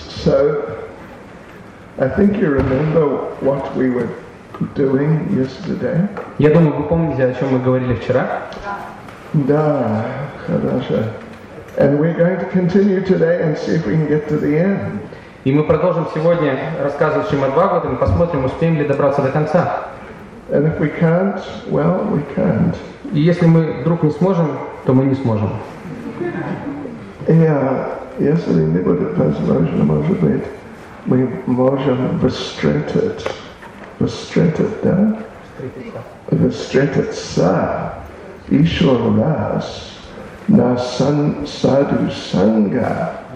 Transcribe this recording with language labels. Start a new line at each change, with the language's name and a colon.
English: So, I think you remember what we were doing yesterday.
Russian: Я думаю, вы помните, о чем мы говорили вчера. Да, хорошо.
English: And we're going to continue today and see if we can get to the end.
Russian: И мы продолжим сегодня рассказывать Шримад-Бхагаватам и посмотрим, успеем ли добраться до конца.
English: And if we can't, well, we can't.
Russian: И если мы вдруг не сможем, то мы не сможем.
English: Yeah,
Russian: если не будет возможно, может быть, мы можем встретиться еще раз на саду-санга.